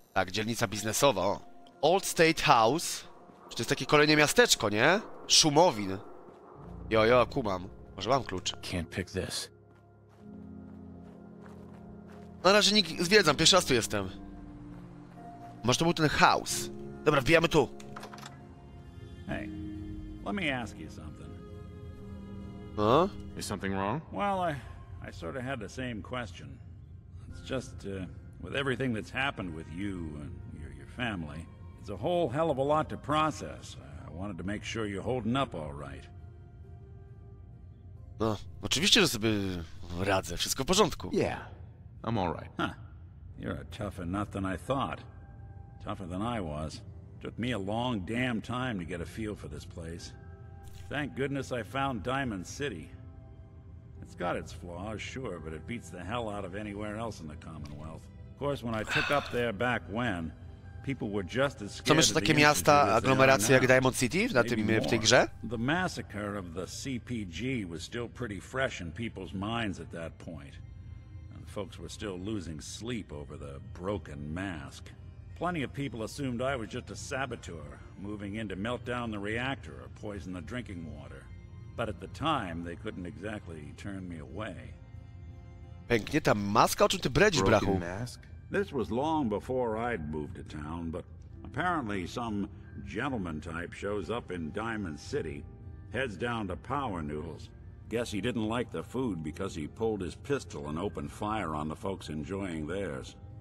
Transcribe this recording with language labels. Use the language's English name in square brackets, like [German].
[Polish] Tak, dzielnica biznesowa, o. Old State House. Czy to jest takie kolejne miasteczko, nie? Szumowin. Jo, jo, kumam. Może mam klucz. [English] Can't pick this. [Polish] Na razie nikt... Zwiedzam, pierwszy raz tu jestem. Może to był ten house. Dobra, wbijamy tu. [English] Hey, let me ask you something. Huh? Is something wrong? Well, I sort of had the same question. It's just, with everything that's happened with you and your family, it's a whole hell of a lot to process. I wanted to make sure you're holding up all right. [Polish] No, oczywiście, że sobie radzę. Wszystko w porządku. [English] Yeah, I'm all right. Huh. You're a tougher nut than I thought. Tougher than I was. Took me a long damn time to get a feel for this place. Thank goodness I found Diamond City. It's got its flaws, sure, but it beats the hell out of anywhere else in the Commonwealth. Of course, when I took up there back when, people were just as scared. [Polish] Co myślisz, takie miasta, aglomeracje jak Diamond City w tej grze? [English] The massacre of the CPG was still pretty fresh in people's minds at that point. And folks were still losing sleep over the broken mask. Plenty of people assumed I was just a saboteur, moving in to melt down the reactor or poison the drinking water. But at the time, they couldn't exactly turn me away. [Polish] Pięknie, ta maska, o czym ty bredzisz, brachu? [English] This was long before I'd moved to town, but apparently some gentleman type shows up in Diamond City, heads down to Power Noodles. Guess he didn't like the food because he pulled his pistol and opened fire on the folks enjoying theirs.